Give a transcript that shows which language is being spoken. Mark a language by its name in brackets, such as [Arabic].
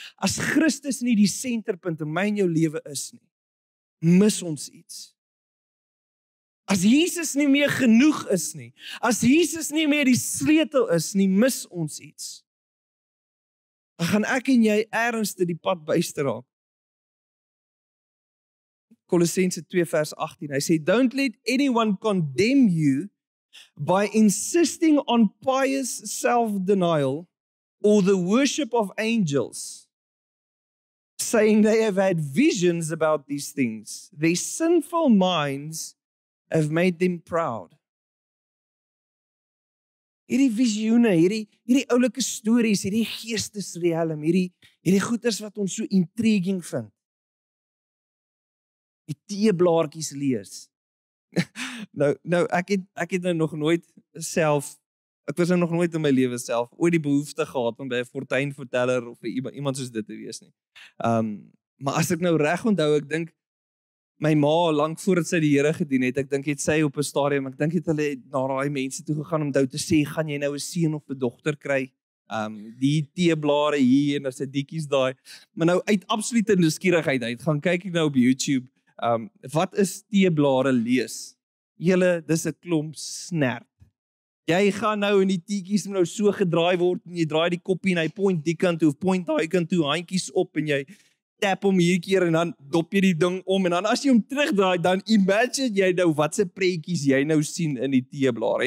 [Afrikaans] As Christus nie die senterpunt in my en jou lewe is nie, mis ons iets. As Jesus nie meer genoeg is nie, as Jesus nie meer die sleutel is nie, mis ons iets. Dan gaan ek en jy ergens te die pad byster raak. [English] Kolossense 2 vers 18, [Afrikaans] hy sê, [English] don't let anyone condemn you by insisting on pious self-denial or the worship of angels, saying they have had visions about these things. Their sinful minds have made them proud. [Afrikaans] Hierdie visioene, hierdie oulike stories, hierdie geestesrealm, hierdie goeders wat ons so intriguing vind. Die teeblaartjies lees. Nou ek het nou nog nooit self, ek was nou nog nooit in my lewe self ooit die behoefte gehad om by 'n fortuinverteller of by iemand soos dit te wees nie. Maar as ek nou reg onthou, ek dink my ma lank voordat sy die Here gedien het, ek dink het sy op 'n stadium, ek dink het hulle na daai mense toe gegaan om te sê, gaan jy nou 'n seun of 'n dogter kry? Die teeblare hier en as dit dikkies daai. Maar nou uit absolute nuuskierigheid uit, gaan kyk ek nou op YouTube, wat is teeblare lees? Julle, dis 'n klomp snert. Jy gaan nou in die teekies nou so gedraai word en jy draai die koppie en hy point die kant toe, point daai kant toe, handjies op en jy tap hom hier keer en dan dop jy die ding om en dan as jy hom terugdraai, dan imagine jy nou wat se preentjies jy nou sien in die teeblare.